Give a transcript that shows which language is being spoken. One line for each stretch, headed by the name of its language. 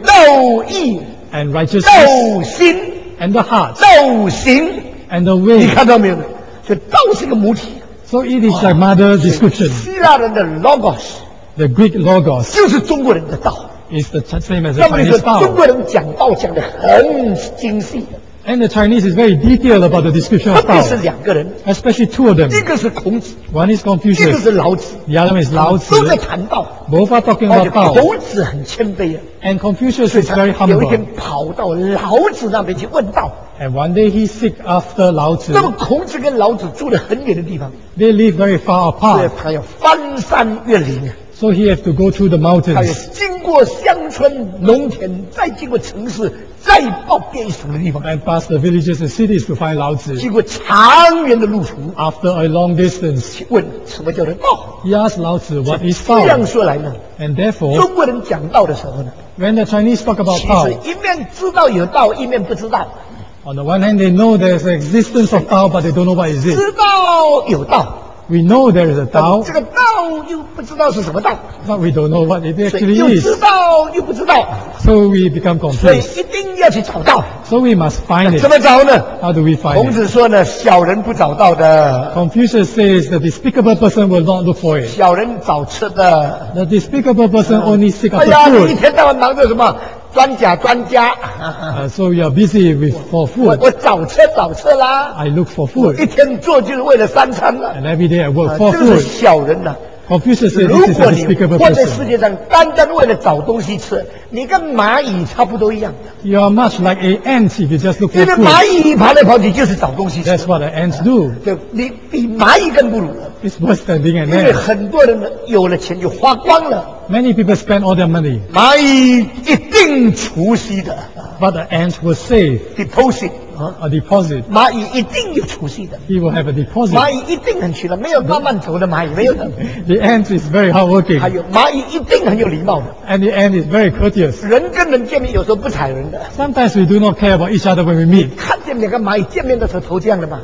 Chinese: 道义。
English: And righteousness.
Chinese: 道心。
English: And the heart.
Chinese: 道行。
English: And the way.
Chinese: 你看到没有？所以道是个母体。
English: So it is like mother description.
Chinese: 希腊人的 logos,
English: the Greek logos,
Chinese: 就是中国人的道。
English: Is the same as the Chinese 道。
Chinese: 中国人讲道讲得很精细。
English: And the Chinese is very detailed about the description of Tao.
Chinese: 特别是两个人,
English: especially two of them.
Chinese: 一个是孔子,
English: one is Confucius.
Chinese: 一个是老子,
English: the other is Lao Tzu.
Chinese: 都在谈到,
English: both are talking about Tao.
Chinese: 孔子很谦卑啊,
English: and Confucius is very humble.
Chinese: 有一天跑到老子那边去问道,
English: and one day he seek after Lao Tzu.
Chinese: 那么孔子跟老子住得很远的地方,
English: they live very far apart.
Chinese: 所以他要翻山越岭,
English: so he has to go through the mountains.
Chinese: 他要经过乡村农田, 再经过城市, 再到边属的地方,
English: and pass the villages and cities to find Lao Tzu.
Chinese: 经过长远的路途,
English: after a long distance,
Chinese: 问什么叫做道,
English: he asked Lao Tzu what is Tao.
Chinese: 这样说来呢,
English: and therefore,
Chinese: 中国人讲道的时候呢,
English: when the Chinese talk about Tao,
Chinese: 其实一面知道有道, 一面不知道,
English: on the one hand they know there is the existence of Tao, but they don't know what is it.
Chinese: 知道有道,
English: we know there is a Tao,
Chinese: 这个道又不知道是什么道,
English: but we don't know what it actually is.
Chinese: 又知道又不知道,
English: so we become confused.
Chinese: 要去找到,
English: so we must find it.
Chinese: 怎么找呢?
English: How do we find
Chinese: 孔子说呢,
English: it?
Chinese: 小人不找到的,
English: Confucius says the despicable person will not look for it.
Chinese: 小人找吃的,
English: the despicable person only seek after food.
Chinese: 哎呀,你一天到晚忙着什么? 专家专家,
English: so you are busy with for food.
Chinese: 我找吃找吃啦,
English: I look for food.
Chinese: 一天做就是为了三餐,
English: and every day I work for food.
Chinese: 这是小人啊,
English: Confucius said this is a despicable person.
Chinese: 如果你活在世界上单单为了找东西吃, 你跟蚂蚁差不多一样,
English: you are much like an ant if you just look for food.
Chinese: 蚂蚁跑来跑去就是找东西吃,
English: that's what the ants do.
Chinese: 你比蚂蚁更不如,
English: it's worse than being an ant.
Chinese: 因为很多人有了钱就花光了,
English: many people spend all their money.
Chinese: 蚂蚁一定储蓄的,
English: but the ants will save. Deposit. A deposit.
Chinese: 蚂蚁一定有储蓄的,
English: he will have a deposit.
Chinese: 蚂蚁一定很勤劳, 没有慢慢走的蚂蚁, 没有的,
English: the ant is very hardworking.
Chinese: 还有蚂蚁一定很有礼貌的,
English: and the ant is very courteous.
Chinese: 人跟人见面有时候不睬人的,
English: sometimes we do not care about each other when we meet.
Chinese: 看见两个蚂蚁见面的时候头这样的吗?